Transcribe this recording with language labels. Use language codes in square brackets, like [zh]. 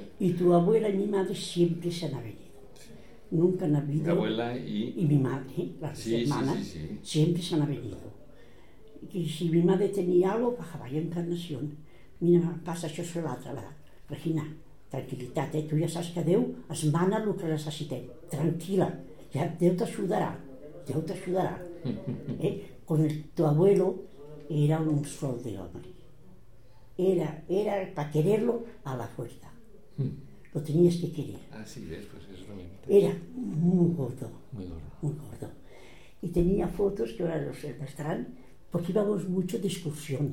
[es] Y tu abuela y mi madre siempre se han venido. Nunca han habido. Mi abuela y. Y mi madre, las sí, hermanas, sí, sí, sí. Siempre se han venido. Y si mi madre tenía algo, bajaba ya Encarnación. Mira, pasa, yo soy la otra, la Regina. [ca] Tranquilitat, eh? Tu ja saps que Déu es mana el que necessitem. Tranquil·la, ja Déu t'ajudarà. Déu t'ajudarà. [es] Con el tu abuelo era un sol de hombre. Era para quererlo a la fuerza. Lo tenías que querer. Ah, sí, pues eso también. Era muy gordo. Muy gordo. Muy gordo. Y tenía fotos que ahora los mostrarán, porque íbamos mucho de excursión.